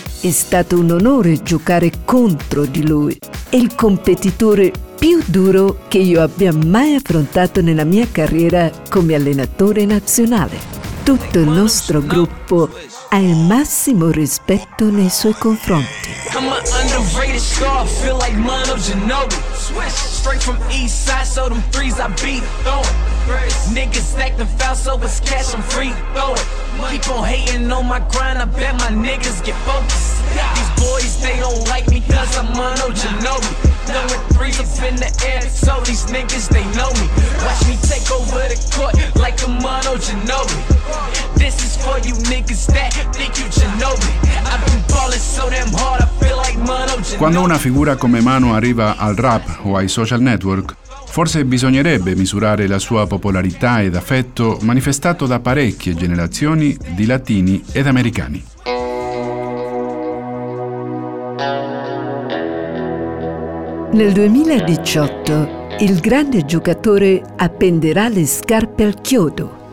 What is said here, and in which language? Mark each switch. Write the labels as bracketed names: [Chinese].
[Italian] È stato un onore giocare contro di lui. È il competitore più duro che io abbia mai affrontato nella mia carriera come allenatore nazionale. Tutto il nostro gruppo ha il massimo rispetto nei suoi confronti». [English] I'm an underrated star, feel like Manu Ginobili. Swish, straight from east side, so them threes I be throwing. Niggas acting foul, so it's cash, I'm free throwing. Keep on hating on my grind, I bet my niggas get focused. These boys, they don't like me, cause I'm Manu Ginobili. Throwing threes up in the air, so these niggas, they know me. Watch me take over the court, like I'm Manu Ginobili. This is for you niggas that think you Ginobili. I've been ballin' so damn hard, I feel like Manu Ginobili. [Italian] Quando una figura come Manu arriva al rap o ai social network, forse bisognerebbe misurare la sua popolarità ed affetto manifestato da parecchie generazioni di latini ed americani. Nel 2018 il grande giocatore appenderà le scarpe al chiodo.